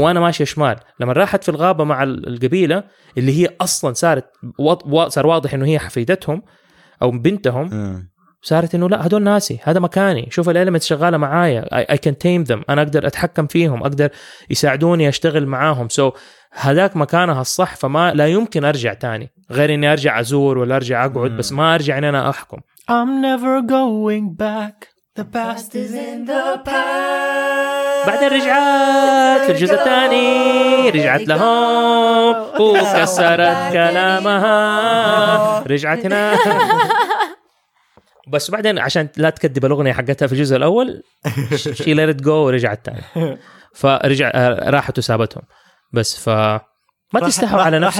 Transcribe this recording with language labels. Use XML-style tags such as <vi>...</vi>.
<ar>وأنا ماشي شمال لما راحت في الغابة مع القبيلة اللي هي أصلا صارت صار واضح إنه هي حفيدتهم أو بنتهم صارت إنه لا هدول ناسي هذا مكاني شوف الألمنت شغالة معايا</ar> <en>I can tame them</en> <ar>أنا أقدر أتحكم فيهم أقدر يساعدوني أشتغل معاهم so هذاك مكانها الصح فما لا يمكن أرجع تاني غير إني أرجع أزور ولا أرجع أقعد بس ما أرجع إن أنا أحكم</ar> <en>I'm never going back The past is in the</en> <ar>past بعدين رجعت في الجزء الثاني رجعت لهم وكسرت كلامها رجعت هنا بس بعدين عشان لا تكذب الأغنية حقتها في الجزء الأول</ar> <en>she let it go</en> <ar>ورجعت تاني فرجع راحت وسابتهم بس ف ما تستحوا على نفسك</ar>